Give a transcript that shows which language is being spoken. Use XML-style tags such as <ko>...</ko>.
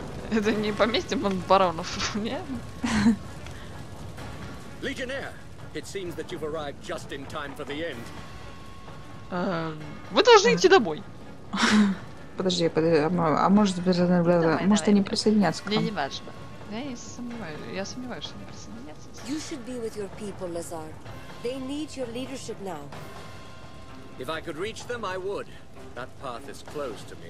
<ru>Это не поместье Монт-Баронов, нет? Легионер,</ru> <en>It seems that you've arrived just in time for the end.</en> <ru>Вы должны идти домой. Подожди, может они присоединятся к нам? Мне не важно. Я сомневаюсь, что они присоединятся.</ru> <en>You should be with your people, Lazar. They need your leadership now. If I could reach them, I would. That path is closed to me.</en>